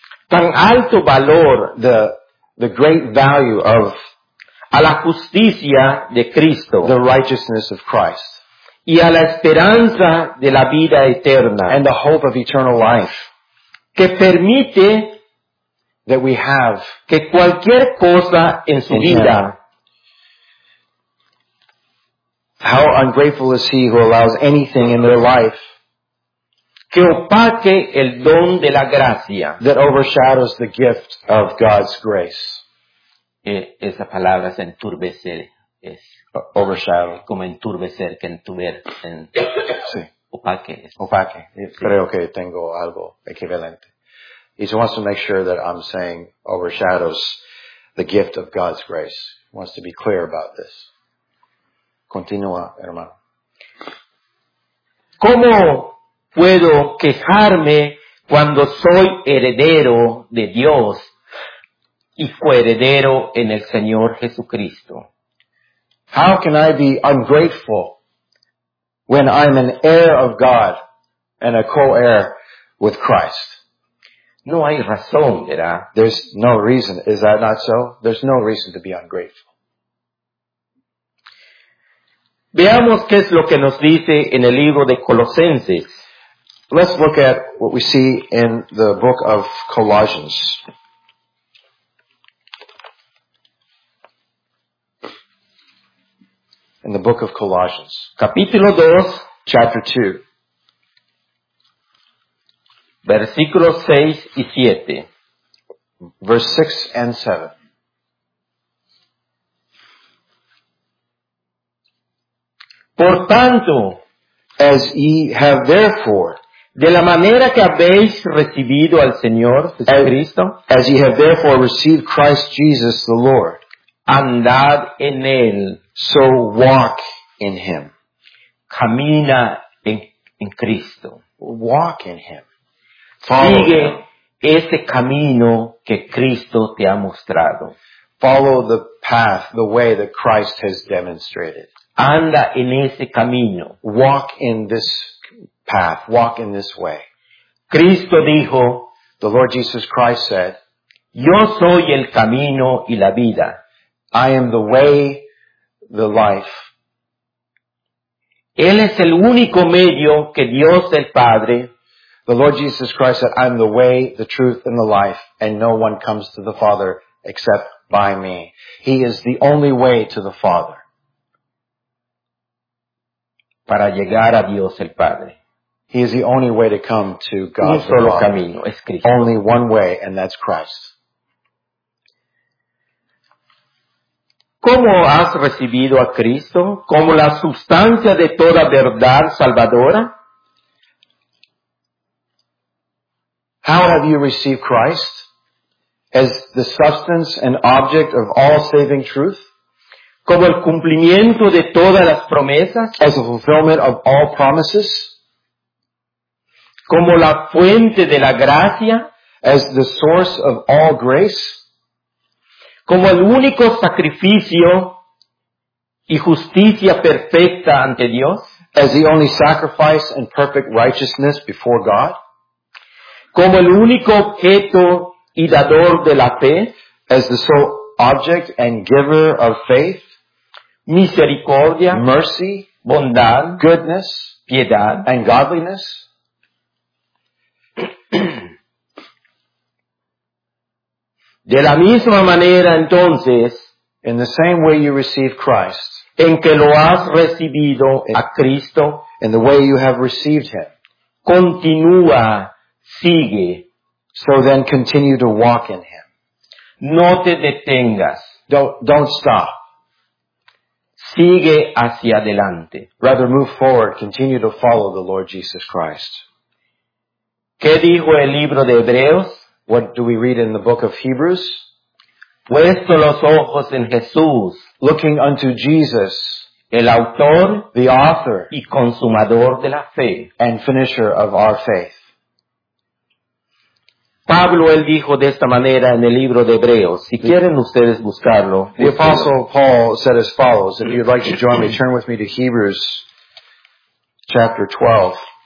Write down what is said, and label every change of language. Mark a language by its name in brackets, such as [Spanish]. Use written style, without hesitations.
[Spanish] Tan alto valor. [English] The great value of. [Spanish] A la justicia de Cristo. [English] The righteousness of Christ. [Spanish] Y a la esperanza de la vida eterna. [English] And the hope of eternal life. [Spanish] Que permite. [English] That we have. [Spanish] Que cualquier cosa en su vida. [English] How ungrateful is he who allows anything in their life [Spanish] que opaque el don de la gracia. [English] That overshadows the gift of God's grace. [Spanish] Esa palabra es enturbecer. Es [English] overshadow. [Spanish] Como enturbecer, que entuber. En sí. [English] Opaque. Opaque. Sí. [Spanish] Creo que tengo algo equivalente. [English] He wants to make sure that I'm saying overshadows the gift of God's grace. He wants to be clear about this. [Spanish] Continúa, hermano. ¿Cómo puedo quejarme cuando soy heredero de Dios y coheredero en el Señor Jesucristo? [English] How can I be ungrateful when I'm an heir of God and a co-heir with Christ? No hay razón, ¿verdad? There's no reason. Is that not so? There's no reason to be ungrateful. [Spanish] Veamos qué es lo que nos dice en el libro de Colosenses. [English] Let's look at what we see in the book of Colossians. In the book of Colossians. [Spanish] Capítulo 2. [English] Chapter 2. [Spanish] Versículos 6 y 7. [English] Verse 6 and 7. [Spanish] Por tanto, [English] as ye have therefore, [Spanish] de la manera que habéis recibido al Señor Jesucristo, [English] as ye have therefore received Christ Jesus the Lord, [Spanish] andad en él, [English] so walk in him. [Spanish] Camina en Cristo. [English] Walk in him. Follow [Spanish] Sigue [English] him. [Spanish] Ese camino que Cristo te ha mostrado. [English] Follow the path, the way that Christ has demonstrated. [Spanish] Anda en ese camino. [English] Walk in this path. Walk in this way. [Spanish] Cristo dijo, [English] the Lord Jesus Christ said, [Spanish] yo soy el camino y la vida. [English] I am the way, the life. [Spanish] Él es el único medio que Dios el Padre. [English] The Lord Jesus Christ said, I am the way, the truth, and the life, and no one comes to the Father except by me. He is the only way to the Father. [Spanish] Para llegar a Dios el Padre. [English] He is the only way to come to God the Father. [Spanish] Camino es Cristo. [English] Only one way, and that's Christ. [Spanish] ¿Cómo has recibido a Cristo como la sustancia de toda verdad salvadora? [English] How have you received Christ as the substance and object of all saving truth? [Spanish] Como el cumplimiento de todas las promesas. [English] As the fulfillment of all promises. [Spanish] Como la fuente de la gracia. [English] As the source of all grace. [Spanish] Como el único sacrificio y justicia perfecta ante Dios. [English] As the only sacrifice and perfect righteousness before God. [Spanish] Como el único objeto y dador de la fe. [English] As the sole object and giver of faith. [Spanish] Misericordia, [English] mercy, [Spanish] bondad, [English] goodness, [Spanish] piedad, [English] and godliness. [Spanish] De la misma manera, entonces, [English] in the same way you receive Christ, [Spanish] en que lo has recibido a Cristo, [English] in the way you have received him, [Spanish] continúa, sigue. [English] So then continue to walk in him. [Spanish] No te detengas. [English] Don't stop. [Spanish] Sigue hacia adelante. [English] Rather move forward, continue to follow the Lord Jesus Christ. [Spanish] ¿Qué dijo el libro de Hebreos? [English] What do we read in the book of Hebrews? [Spanish] Puesto los ojos en Jesús. [English] Looking unto Jesus. [Spanish] El autor. [English] The author. [Spanish] Y consumador de la fe. [English] And finisher of our faith. [Spanish] Pablo, él dijo de esta manera en el libro de Hebreos. Si quieren ustedes buscarlo. [English] The Apostle Paul said as follows. If you'd like to join me, turn with me to Hebrews chapter 12.